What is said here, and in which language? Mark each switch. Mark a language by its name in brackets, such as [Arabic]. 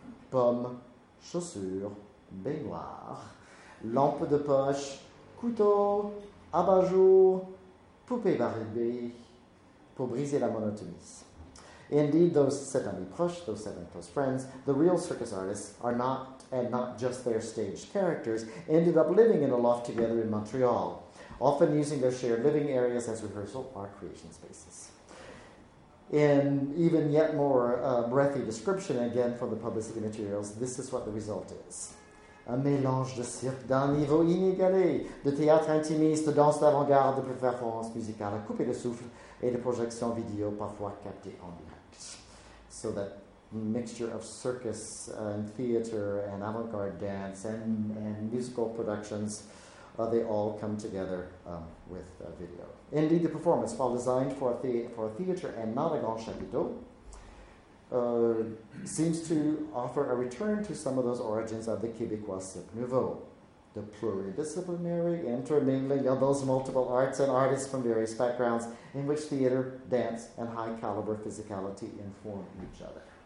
[French] Pommes, chaussures, baignoire, lampe de poche, couteau, abat-jour, poupée Barbie, pour briser la monotonie. [English] Indeed, those [French] sept amis proches, [English] those seven close friends, the real circus artists, are not, and not just their stage characters, ended up living in a loft together in Montreal, often using their shared living areas as rehearsal or creation spaces. In even yet more breathy description, again from the publicity materials, this is what the result is. [French] A mélange de cirque d'un niveau inégalé, de théâtre intimiste, de danse d'avant-garde, de performance musicale à couper le souffle et de projection vidéo parfois captée en direct. [English] So that mixture of circus and theater and avant-garde dance and musical productions, they all come together with video. Indeed, the performance, while designed for a theater and not a grand chapiteau, seems to offer a return to some of those origins of the Québécois Cirque Nouveau, the pluridisciplinary intermingling of those multiple arts and artists from various backgrounds in which theater, dance, and high-caliber physicality inform each other.